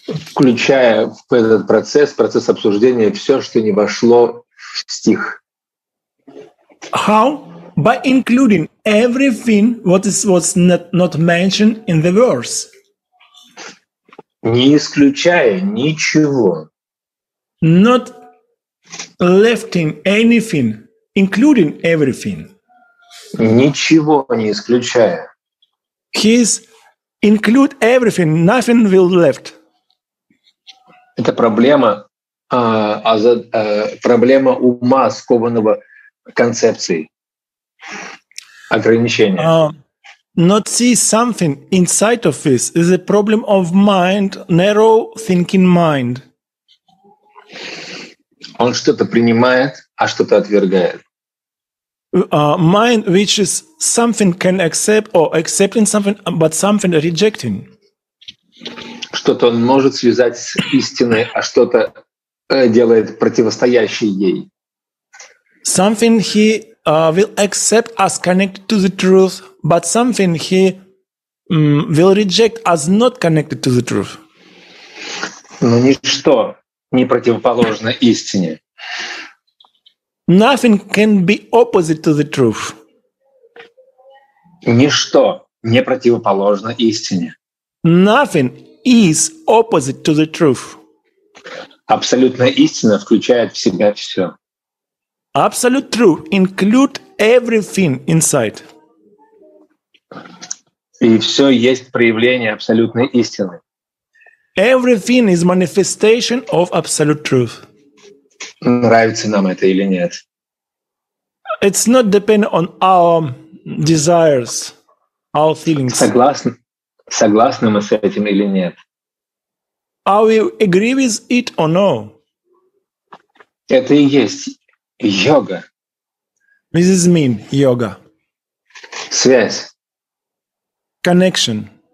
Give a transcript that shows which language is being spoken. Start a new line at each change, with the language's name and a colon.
Russian: Включая в этот процесс, процесс обсуждения, все, что не вошло в стих.
English: How? By including everything what is what's not mentioned in the verse.
Russian: Не исключая ничего.
English: Not leaving anything, including everything.
Russian: Ничего не исключая.
English: He's include everything, nothing will left.
Russian: Это проблема, проблема ума, скованного концепцией. Ограничения.
English: Not see something inside of this is a problem of mind, narrow thinking mind.
Russian: Он что-то принимает, а что-то отвергает.
English: Mind which is something can accept or accepting something, but something rejecting.
Russian: Что-то он может связать с истиной, а что-то делает противостоящей ей.
English: Something he will accept as connected to the truth, but something he will reject as not connected to the truth.
Russian: Но ничто не противоположно истине.
English: Nothing can be opposite to the truth.
Russian: Ничто не противоположно истине.
English: Nothing is opposite to the truth.
Russian: Абсолютная истина включает в себя все.
English: Absolute truth include everything inside.
Russian: И все есть проявление абсолютной истины.
English: Everything is manifestation of absolute truth.
Russian: Нравится нам это или нет?
English: It's not depend on our desires, our feelings.
Russian: Согласны мы с этим или нет?
English: Are we agree with it or no?
Russian: Это и есть йога.
English: This is mean yoga.
Russian: Связь.
English: Connection.